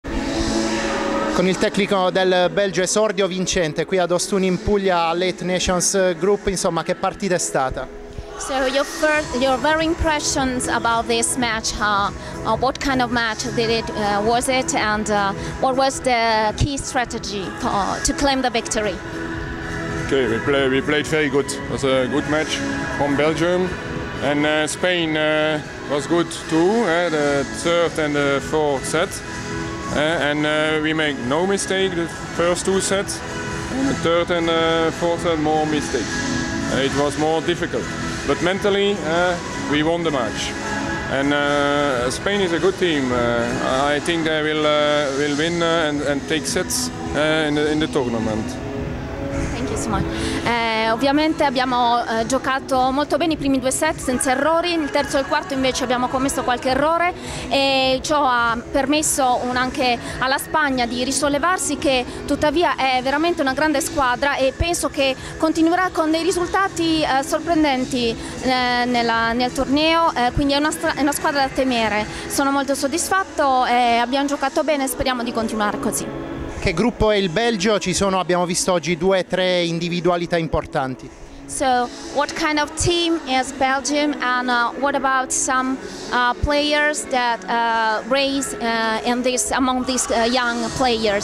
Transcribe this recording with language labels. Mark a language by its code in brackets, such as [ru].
[it] con il tecnico del Belgio esordio vincente qui ad Ostuni in Puglia all'Eight Nations Group. Insomma, che partita è stata? [en] So your very impressions about this match, what kind of match did it was it, and what was the key strategy to claim the victory? Okay, we played very good. It was a good match from Belgium, and Spain was good too, the third and the fourth set, and we make no mistake the first two sets, the third and fourth set more mistake. It was more difficult, but mentally we won the match, and Spain is a good team. I think they will win and take sets in the tournament. Thank you so much. [it] Ovviamente abbiamo giocato molto bene i primi due set senza errori, il terzo e il quarto invece abbiamo commesso qualche errore e ciò ha permesso anche alla Spagna di risollevarsi, che tuttavia è veramente una grande squadra e penso che continuerà con dei risultati sorprendenti nel torneo, quindi è una squadra da temere. Sono molto soddisfatto, abbiamo giocato bene e speriamo di continuare così. Che gruppo è il Belgio? Ci sono, abbiamo visto oggi, due o tre individualità importanti. [en] So, what kind of team is Belgium, and what about some players that raise in this among these young players?